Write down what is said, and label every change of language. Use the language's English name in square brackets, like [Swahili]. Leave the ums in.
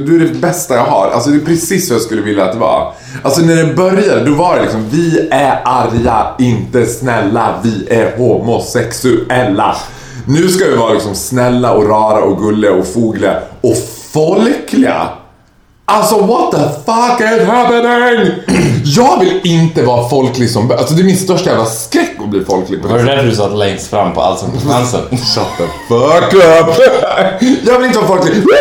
[Swedish] Du är det bästa jag har. Alltså det är precis så jag skulle vilja att det var. Alltså när det började då var det liksom vi är arga, inte snälla, vi är homosexuella. Nu ska vi vara liksom snälla och rara och gulliga och fogliga och folkliga. [English] Alltså what the fuck is happening? [Swedish] Jag vill inte vara folklig som be- Alltså det är min största jävla skräck att bli folklig. På var det därför du satt längst fram på allt som fanns? [English] Shut the fuck up! [Swedish] Jag vill inte vara folklig.